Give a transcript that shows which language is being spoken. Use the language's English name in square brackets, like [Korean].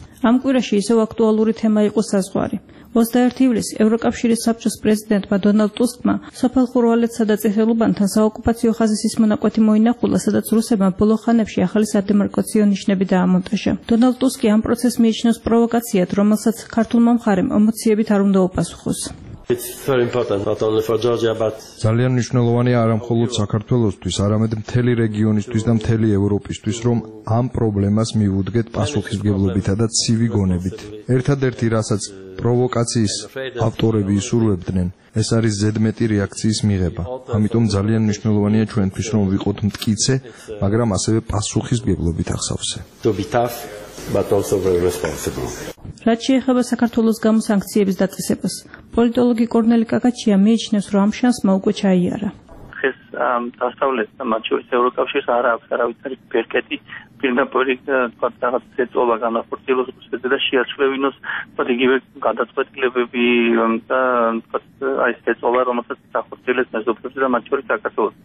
[Georgian] ამ კვირაში ისევ აქტუალური თემა იყო საზღვარი. 21 ივლისს ევროკავშირის საბჭოს პრეზიდენტმა დონალდ ტუსკმა სოფელ ხურვალეთსა და წითელუბანთან საოკუპაციო ხაზის ის მონაკვეთი მოინახულა, სადაც რუსებმა ბოლო ხანებში ახალი სადემარკაციო ნიშნები დაამონტაჟა. დონალდ ტუსკი ამ პროცესს მიიჩნევს პროვოკაციად, რომელსაც ქართულმა მხარემ ემოციებით არ უნდა უპასუხოს. [English] It's very important not only for Georgia but [Georgian] ძალიან მნიშვნელოვანია არა მხოლოდ საქართველოსთვის, არამედ მთელი რეგიონისთვის და მთელი ევროპისთვის, რომ ამ პრობლემას მიუძგეთ პასუხისმგებლობითა და ცივი გონებით. ერთადერთი, რასაც პროვოკაციის ავტორები ისურვებდნენ, ეს არის ზედმეტი რეაქციის მიღება. ამიტომ ძალიან მნიშვნელოვანია ჩვენთვის, რომ ვიყოთ მტკიცე, მაგრამ ასევე პასუხისმგებლობით ახსავსე. [English] To be tough but also very responsible. [Georgian] რაც შეეხება საქართველოს გამო სანქციების დაწესებას, პოლიტოლოგი კორნელი კაკაჩია მიიჩნევს, რომ ამ შანსმა უკვე ჩაიარა. ეს დასავლეთ და მათ შორის ევროკავშირს არ აქვს არავითარი ბერკეტი პირდაპირი რაღაც ზეწოლა განახორციელოს რუსეთზე და შეაცვლევინოს იგივე გადაწყვეტილებები და აი ზეწოლა, რომელსაც ახორციელებს მეზობლებზე და მათ შორის საქართველოს.